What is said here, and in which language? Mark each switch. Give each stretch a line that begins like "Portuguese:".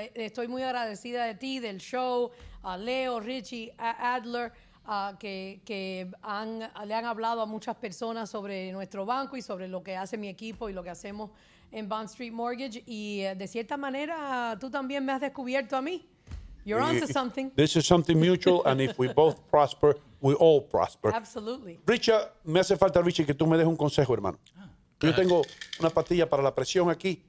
Spanish: Estoy muy agradecida de ti, del show, a Leo, Richie, a Adler, que le han hablado a muchas personas sobre nuestro banco y sobre lo que hace mi equipo y lo que hacemos en Bond Street Mortgage. Y de cierta manera, tú también me has descubierto a mí.
English: You're on to something. This is something mutual, and if we both prosper, we all prosper. Absolutely.
Spanish: Richard, me hace falta, Richard, que tú me des un consejo, hermano. Yo tengo una pastilla para la presión aquí.